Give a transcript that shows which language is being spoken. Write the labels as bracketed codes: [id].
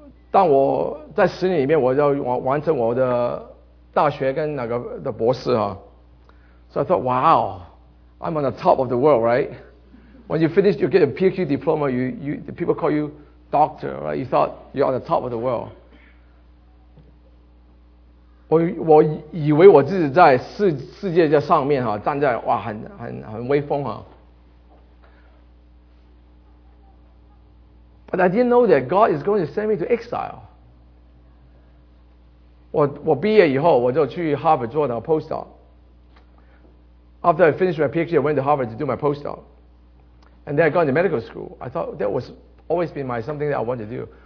[zh] 当我在十年里面，我要完成我的大学跟那个的博士啊。 [en] So I thought, wow, I'm on the top of the world, right? When you finish, you get a PhD diploma, the people call you doctor, right? You thought you're on the top of the world. [zh] 我以为我自己在世界在上面，站在，哇，很威风。 [en] But I didn't know that God is going to send me to exile. [zh] 我毕业以后，我就去 Harvard 做了 postdoc. [en] After I finished my PhD, I went to Harvard to do my postdoc. And then I got into medical school. I thought that was always been my something that I wanted to do.